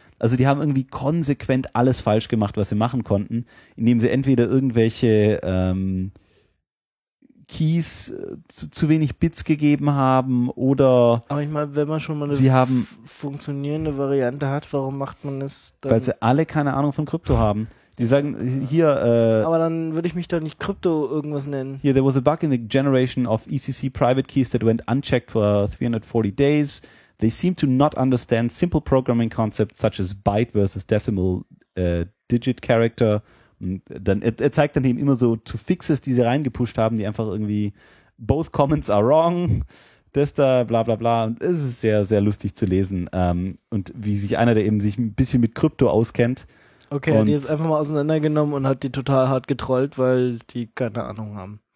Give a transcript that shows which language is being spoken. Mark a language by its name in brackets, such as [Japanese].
[German] Also die haben irgendwie konsequent alles falsch gemacht, was sie machen konnten, indem sie entweder irgendwelche Keys zu wenig Bits gegeben haben oder... Aber ich meine, wenn man schon mal eine funktionierende Variante hat, warum macht man es dann? Weil sie alle keine Ahnung von Krypto haben. Die sagen, hier... Aber dann würde ich mich doch nicht Krypto irgendwas nennen. [English] Here, there was a bug in the generation of ECC private keys that went unchecked for 340 days. They seem to not understand simple programming concepts such as byte versus decimal digit character. [German] Dann, er zeigt dann eben immer so zu Fixes, die sie reingepusht haben, die einfach irgendwie [English] both comments are wrong, [German] das da, bla bla bla, und es ist sehr, sehr lustig zu lesen. Und wie sich einer, der eben sich ein bisschen mit Krypto auskennt. Okay, die ist einfach mal auseinandergenommen und hat die total hart getrollt, weil die keine Ahnung haben.